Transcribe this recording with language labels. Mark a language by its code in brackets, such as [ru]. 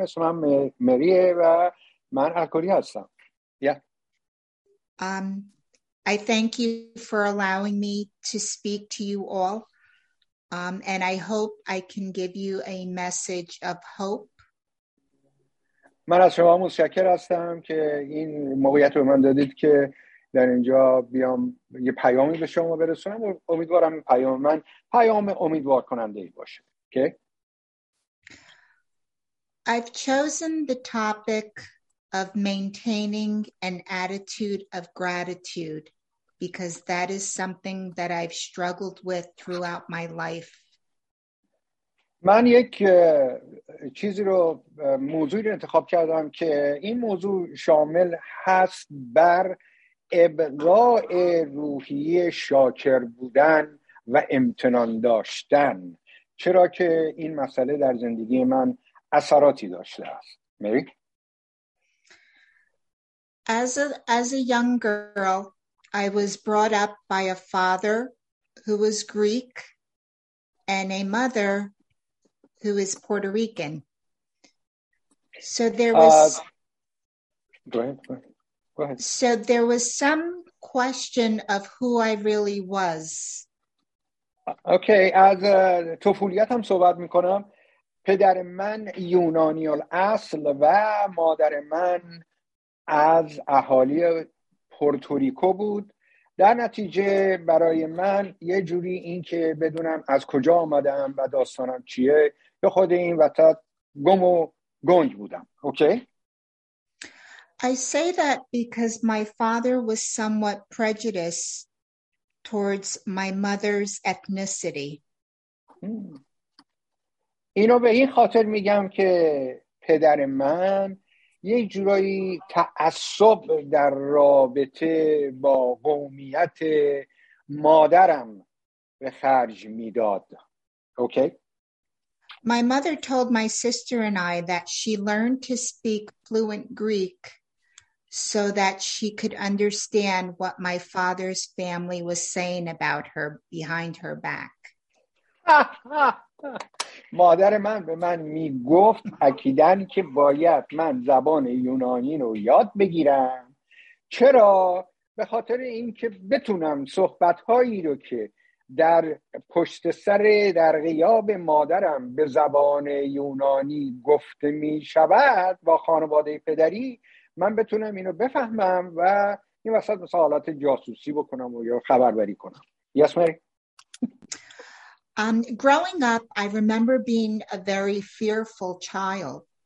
[fa] اسم من مریه و من الکلی هستم. [en] Yeah. I thank you for allowing me to speak to you all. And I hope I can give you a message of hope. [fa] من از شما متشکر هستم که این موقعیت رو من دادید که در اینجا بیام یه پیامی به شما برسونم. امیدوارم پیام من پیام امیدوار کننده ای باشه. [en] Okay. I've chosen the topic of maintaining an attitude of gratitude because that is something that I've struggled with throughout my life. [fa] من یک چیزی رو موضوعی رو انتخاب کردم که این موضوع شامل هست بر ابقاء روحی شاکر بودن و امتنان داشتن، چرا که این مسئله در زندگی من اثراتی داشته است. [en] Mary? As a young girl, I was brought up by a father who was Greek and a mother who is Puerto Rican. So there was Go ahead. So there was some question of who I really was. [fa] Okay, از طفولیت هم صحبت میکنم. پدر من یونانی الاصل و مادر من از اهالی پورتوریکو بود. در نتیجه برای من یه جوری این که بدونم از کجا آمدم و داستانم چیه به خود این وطن گم و گنگ بودم. [en] Okay. I say that because my father was somewhat prejudiced towards my mother's ethnicity. [fa] اینو به این خاطر میگم که پدر من یه جورایی تعصب در رابطه با قومیت مادرم به خرج میداد. [en] Okay. My mother told my sister and I that she learned to speak fluent Greek so that she could understand what my father's family was saying about her behind her back. [fa] مادر من به من میگفت اکیدن که باید من زبان یونانی رو یاد بگیرم. چرا؟ به خاطر اینکه بتونم صحبتهایی رو که در پشت سر در غیاب مادرم به زبان یونانی گفته میشود با خانواده پدری، من بتونم اینو بفهمم و این وسط مثلا حالات جاسوسی بکنم و یا خبربری کنم. [en] Yes, Mary. Growing up, I remember being a very fearful child.